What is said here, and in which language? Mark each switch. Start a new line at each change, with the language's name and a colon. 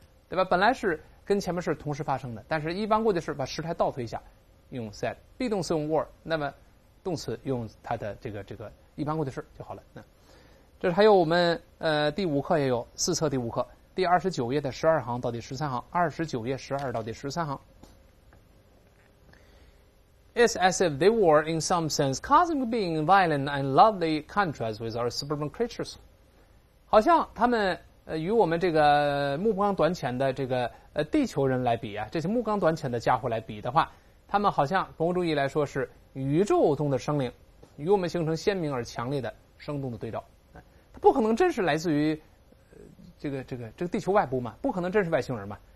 Chinese: 对吧，本来是跟前面是同时发生的，但是一般过去式把时态倒退一下用 set, be 动词用 were, 那么动词用它的这个一般过去式就好了。嗯、这还有我们第五课也有，四册第五课第29页的12行到第13行 ,29 页12到第13行。
English: It's as if they were in some sense cosmic being violent and lovely contrast with our suburban creatures.
Chinese: 好像他们与我们这个目光短浅的这个地球人来比啊，这些目光短浅的家伙来比的话，他们好像某种意义来说是宇宙中的生灵，与我们形成鲜明而强烈的生动的对照。他不可能真是来自于这个地球外部嘛，不可能真是外星人嘛。